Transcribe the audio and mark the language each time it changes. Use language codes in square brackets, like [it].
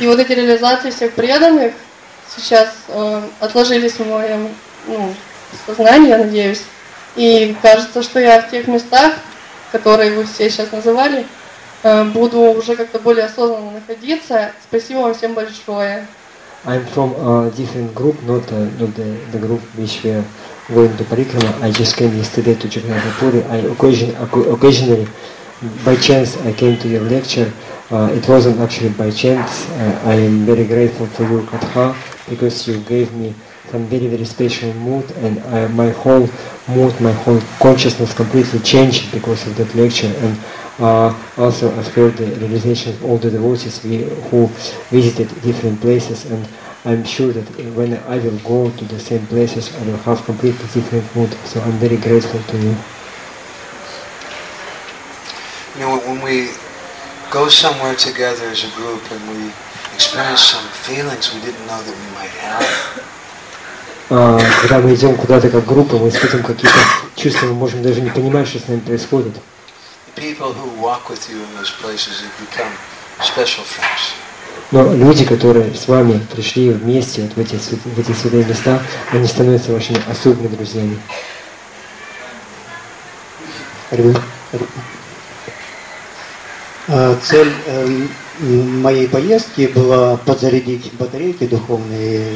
[ru] И вот эти реализации всех преданных сейчас отложились в моем сознании, я надеюсь. И кажется, что я в тех местах, которые вы все сейчас называли, буду уже как-то более осознанно находиться. Спасибо вам всем большое. [en] I'm from a different group, not the group which we are going to Parikrama. I just came yesterday to Jagannathapuri. I occasionally, by chance, I came to your lecture. It wasn't actually by chance. I am very grateful for you, Katha, because you gave me some very, very special mood, and my whole mood, my whole consciousness completely changed because of that lecture. And also, I've heard the realization of all the devotees who visited different places, and I'm sure that when I will go to the same places, I will have completely different mood. So I'm very grateful to you. You know, when we go somewhere together as a group and we experience some feelings we didn't know that we might have. [ru] Когда мы идем куда-то как группа, мы испытываем какие-то чувства, мы можем даже не понимать, что с нами происходит. [en] People who walk with you in those places have become special friends. [ru] Но люди, которые с вами пришли вместе вот в эти святые места, они становятся вашими особыми друзьями. Цель моей поездки была подзарядить батарейки духовные.